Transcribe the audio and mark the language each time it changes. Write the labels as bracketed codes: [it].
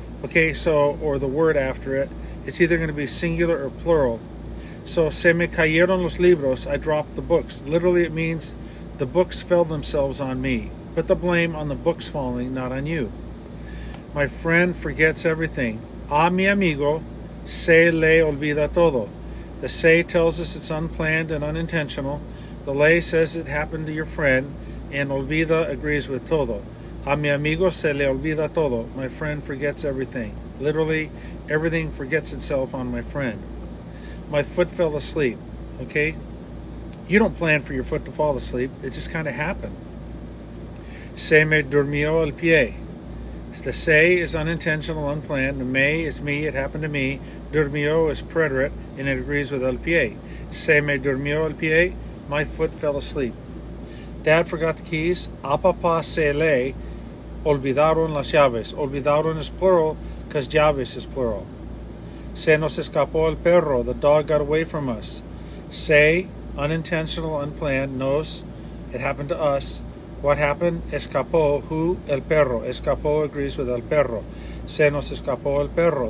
[en] Okay, so, or the word after it. It's either going to be singular or plural. So, [es] se me cayeron los libros, [en] I dropped the books. Literally, it means the books fell themselves on me. Put the blame on the books falling, not on you. My friend forgets everything. [es] A mi amigo, se le olvida todo. [en] The se tells us it's unplanned and unintentional. The lay says it happened to your friend, and olvida agrees with todo. [es] A mi amigo se le olvida todo. [en] My friend forgets everything. Literally, everything forgets itself on my friend. My foot fell asleep. Okay? You don't plan for your foot to fall asleep. It just kind of happened. [es] Se me durmió el pie. [en] The se is unintentional, unplanned. The me is me. It happened to me. Durmió is preterite, and it agrees with el pie. [es] Se me durmió el pie. [en] My foot fell asleep. Dad forgot the keys. [es] A papá se le olvidaron las llaves. [en] Olvidaron is plural because llaves is plural. [es] Se nos escapó el perro. [en] The dog got away from us. Se, unintentional, unplanned. Nos, it happened to us. What happened? Escapó. Who? El perro. [es] Escapó [en] agrees with [es] el perro. Se nos escapó el perro.